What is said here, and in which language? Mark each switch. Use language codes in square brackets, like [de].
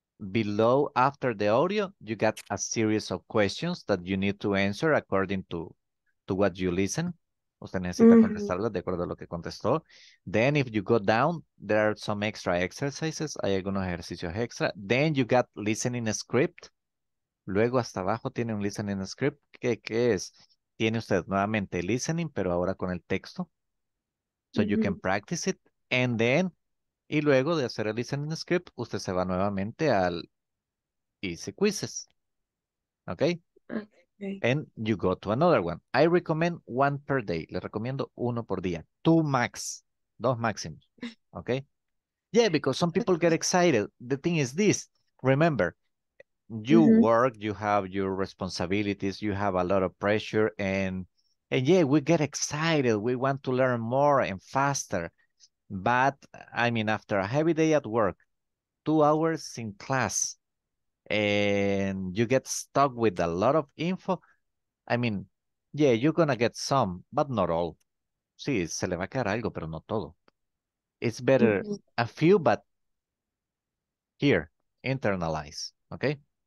[en] Below, after the audio, you got a series of questions that you need to answer according to what you listen. [es] Usted necesita contestarla de acuerdo a lo que contestó. [en] Then if you go down, there are some extra exercises. [es] Hay algunos ejercicios extra. [en] Then you got listening script. [es] Luego hasta abajo tiene un listening script. ¿Qué es? Tiene usted nuevamente listening, pero ahora con el texto. [en] So you can practice it. And then, [es] y luego de hacer el listening script, usted se va nuevamente al easy quizzes. [en] Okay. And you go to another one. I recommend one per day. [es] Le recomiendo uno por día. [en] Two max. [es] Dos máximos. Okay? [en] Yeah, because some people get excited. The thing is this. Remember, you work, you have your responsibilities, you have a lot of pressure, and yeah, we get excited. We want to learn more and faster. But, I mean, after a heavy day at work, 2 hours in class, and you get stuck with a lot of info, I mean, yeah, you're gonna get some, but not all. [es] Sí, se le va a quedar algo, pero no todo. [en] It's better a few, but here, internalize, okay?